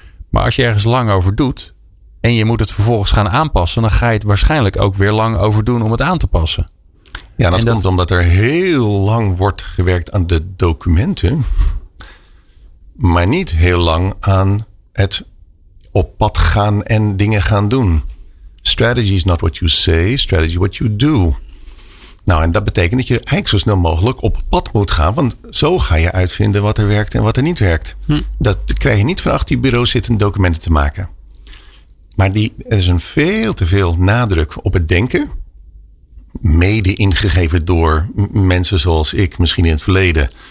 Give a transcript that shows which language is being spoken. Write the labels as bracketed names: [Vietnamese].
[Dutch] Maar als je ergens lang over doet en je moet het vervolgens gaan aanpassen, dan ga je het waarschijnlijk ook weer lang over doen om het aan te passen. Ja, dat komt omdat er heel lang wordt gewerkt aan de documenten, maar niet heel lang aan het op pad gaan en dingen gaan doen. [English] Strategy is not what you say, strategy what you do. [Dutch] Nou, en dat betekent dat je eigenlijk zo snel mogelijk op pad moet gaan, want zo ga je uitvinden wat er werkt en wat er niet werkt. Dat krijg je niet van achter je bureau zitten documenten te maken. Maar er is een veel te veel nadruk op het denken, mede ingegeven door mensen zoals ik misschien in het verleden.